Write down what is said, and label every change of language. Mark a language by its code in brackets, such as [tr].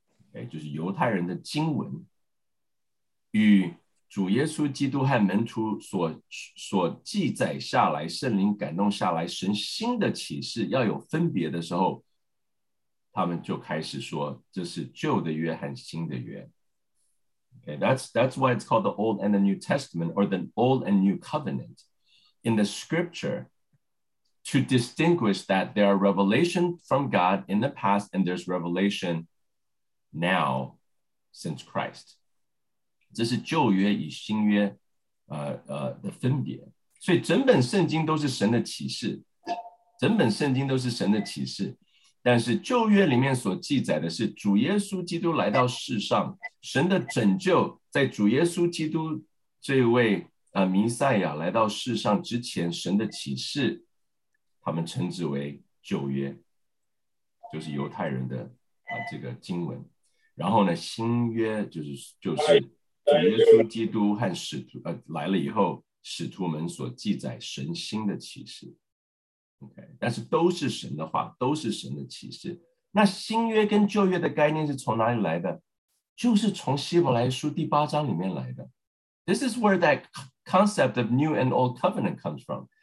[zh] okay， 就是犹太人的经文，与主耶稣基督和门徒 所记载下来，圣灵感动下来，神新的启示要有分别的时候，他们就开始说这是旧的约和新的约。 [en] Okay, that's why it's called the Old and the New Testament, or the Old and New Covenant. In the scripture, to distinguish that there are revelation from God in the past and there's revelation now since Christ. [zh] 这是旧约与新约的分别。所以整本圣经都是神的启示，整本圣经都是神的启示。但是旧约里面所记载的是主耶稣基督来到世上，神的拯救在主耶稣基督这位弥赛亚来到世上之前，神的启示，他们称之为旧约，就是犹太人的这个经文。然后呢，新约就是主耶稣基督和使徒来了以后，使徒们所记载神新的启示。 Okay， 但是都是神的话，都是神的启示。那新约跟旧约的概念是从哪里来的？就是从希伯来书第八章里面来的。 [en] This is where that concept of new and old covenant comes from.